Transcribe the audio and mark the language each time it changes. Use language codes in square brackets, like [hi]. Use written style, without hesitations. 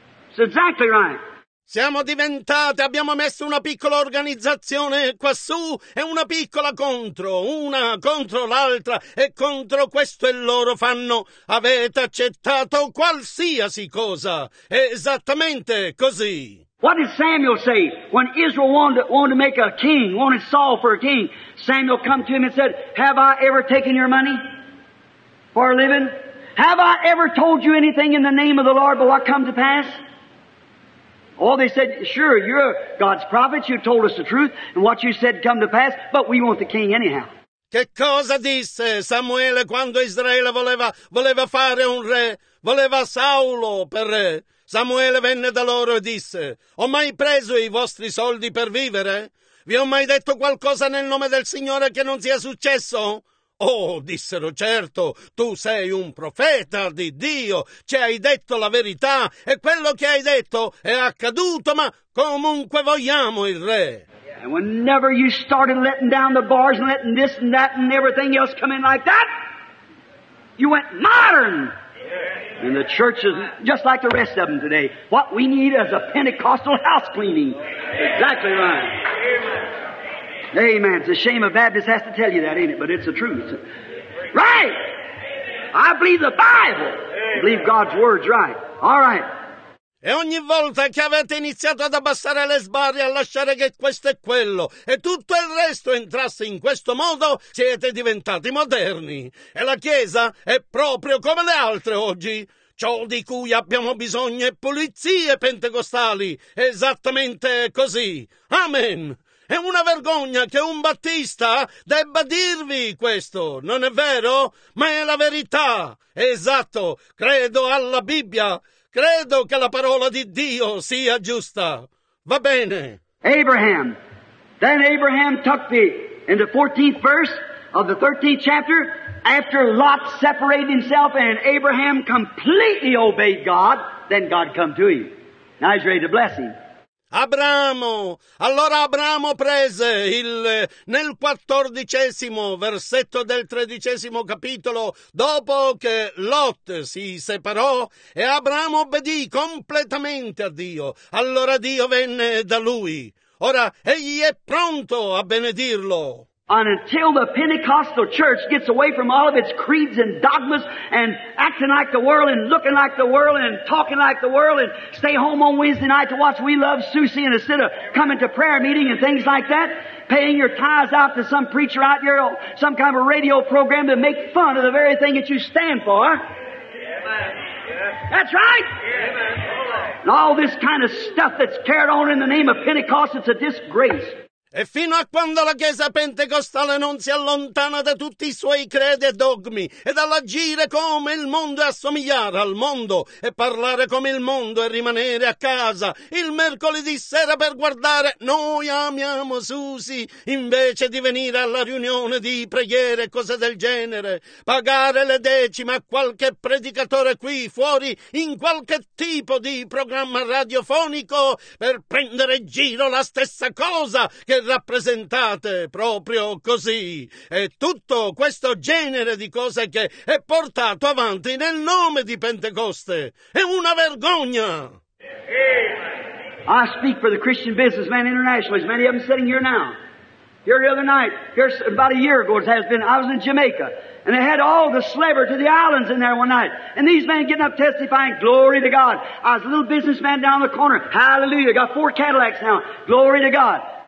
[en] It's exactly right. [it] Siamo diventate, abbiamo messo una piccola organizzazione quassù e una piccola contro, una contro l'altra e contro questo e loro fanno. Avete accettato qualsiasi cosa, esattamente così. [en] What did Samuel say when Israel wanted to make a king, wanted Saul for a king? Samuel come to him and said, have I ever taken your money for a living? Have I ever told you anything in the name of the Lord but what come to pass? Oh, they said, sure, you're God's prophet, you told us the truth, and what you said come to pass, but we want the king anyhow. [it] Che cosa disse Samuele quando Israele voleva fare un re? Voleva Saulo per re. Samuele venne da loro e disse, ho mai preso i vostri soldi per vivere? Vi ho mai detto qualcosa nel nome del Signore che non sia successo? Oh, dissero, certo, tu sei un profeta di Dio, ci hai detto la verità e quello che hai detto è accaduto, ma comunque vogliamo il re. [en] And whenever you started letting down the bars and letting this and that and everything else come in like that, you went modern. And the church is just like the rest of them today. What we need is a Pentecostal house cleaning. Exactly right. Amen. It's a shame a Baptist has to tell you that, ain't it? But it's the truth. Right! I believe the Bible. I believe God's Word's right. All right. [it] E ogni volta che avete iniziato ad abbassare le sbarre, a lasciare che questo e quello e tutto il resto entrasse in questo modo, siete diventati moderni. E la Chiesa è proprio come le altre oggi. Ciò di cui abbiamo bisogno è pulizie pentecostali. Esattamente così. Amen. È una vergogna che un battista debba dirvi questo, non è vero? Ma è la verità. Esatto, credo alla Bibbia, credo che la parola di Dio sia giusta. Va bene. [en] Abraham. Then Abraham took the, in the 14th verse of the 13th chapter, after Lot separated himself and Abraham completely obeyed God, then God come to him. Now he's ready to bless him. [it] Abramo, allora Abramo prese nel 14° versetto del 13° capitolo, dopo che Lot si separò, e Abramo obbedì completamente a Dio, allora Dio venne da lui. Ora egli è pronto a benedirlo. [en] And until the Pentecostal church gets away from all of its creeds and dogmas and acting like the world and looking like the world and talking like the world and stay home on Wednesday night to watch We Love Susie and instead of coming to prayer meeting and things like that, paying your tithes out to some preacher out here or some kind of a radio program to make fun of the very thing that you stand for. Amen. That's right. Amen. And all this kind of stuff that's carried on in the name of Pentecost, it's a disgrace. [it] E fino a quando la Chiesa pentecostale non si allontana da tutti i suoi credi e dogmi e dall'agire come il mondo e assomigliare al mondo e parlare come il mondo e rimanere a casa il mercoledì sera per guardare, noi amiamo Susi invece di venire alla riunione di preghiere e cose del genere, pagare le decime a qualche predicatore qui fuori in qualche tipo di programma radiofonico per prendere in giro la stessa cosa che rappresentate proprio così, e tutto questo genere di cose che è portato avanti nel nome di Pentecoste è una vergogna. [en] I speak for the Christian businessman internationally, as many of them sitting here now. Here the other night, here about a year ago, it has been, I was in Jamaica, and they had all the slaver to the islands in there one night. And these men getting up testifying, glory to God. I was a little businessman down the corner, hallelujah, got four Cadillacs now, glory to God.